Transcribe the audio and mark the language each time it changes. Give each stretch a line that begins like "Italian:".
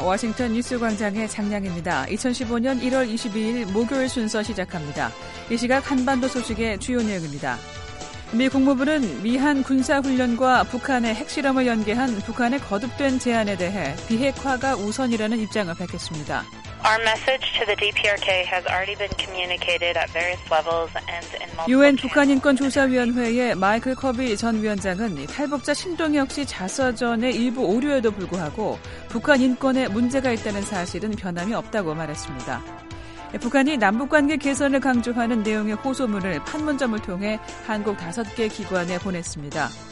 Korean: 워싱턴 뉴스 광장의 장량입니다. 2015년 1월 22일 목요일 순서 시작합니다. 이 시각 한반도 소식의 주요 내용입니다. 미 국무부는 미한 군사훈련과 북한의 핵실험을 연계한 북한의 거듭된 제안에 대해 비핵화가 우선이라는 입장을 밝혔습니다.
English: Our message to the DPRK has already been communicated at various levels and in multiple.
Korean: 유엔 북한인권조사위원회의 마이클 커비 전 위원장은 탈북자 신동희 역시 자서전의 일부 오류에도 불구하고 북한 인권에 문제가 있다는 사실은 변함이 없다고 말했습니다. 북한이 남북관계 개선을 강조하는 내용의 호소문을 판문점을 통해 한국 5개 기관에 보냈습니다.